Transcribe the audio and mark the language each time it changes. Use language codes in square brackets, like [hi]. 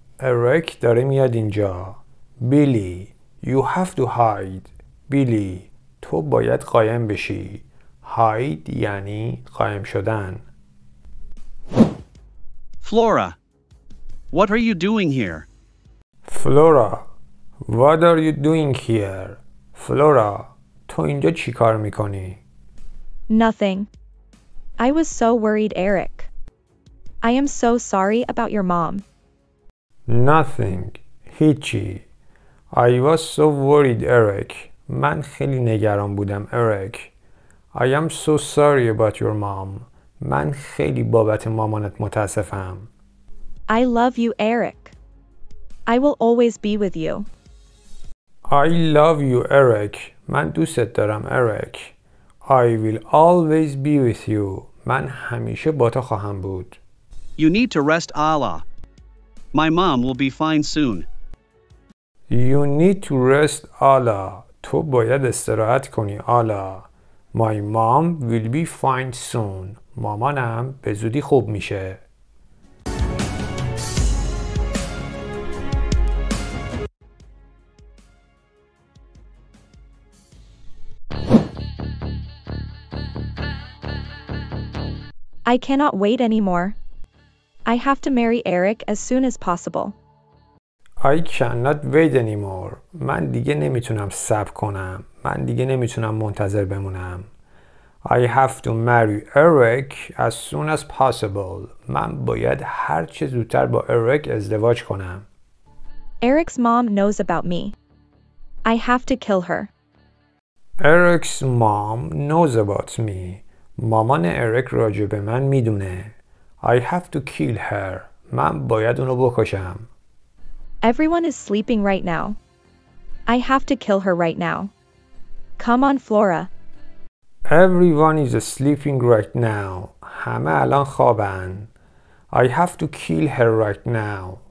[fa] Eric داره میاد اینجا. [en] Billy, you have to hide. [fa] Billy, تو باید قایم بشی. Hide یعنی قایم شدن. [en] Flora, what are you doing here? Flora, what are you doing here? [fa] Flora, تو اینجا چی کار میکنی؟ [en] Nothing. I was so worried, Eric. I am so sorry about your mom. Nothing. [fa] هیچی. [en] I was so worried, Eric. [fa] من خیلی نگران بودم, Eric. [en] I am so sorry about your mom. [fa] من خیلی بابت مامانت متاسفم. [en] I love you, Eric. I will always be with you. I love you, Eric. [fa] من دوستت دارم, Eric. [en] I will always be with you. [fa] من همیشه با تو خواهم بود. [en] You need to rest, Ala. My mom will be fine soon. You need to rest, Ala. [fa] تو باید استراحت کنی, Ala. [en] My mom will be fine soon. [fa] مامانم به زودی خوب میشه. [en] I cannot wait anymore. I have to marry Eric as soon as possible. I cannot wait anymore. [fa] من دیگه نمیتونم صبر کنم. من دیگه نمیتونم منتظر بمونم. [en] I have to marry Eric as soon as possible. [fa] من باید هر چه زودتر با Eric ازدواج کنم. [en] Eric's mom knows about me. I have to kill her. Eric's mom knows about me. [fa] مامان اریک راجع به من میدونه. [en] I have to kill her. [fa] من باید اونو بکشم. [en] Everyone is sleeping right now. I have to kill her right now. Come on, Flora. Everyone is sleeping right now. [fa] همه الان خوابن. [en] I have to kill her right now.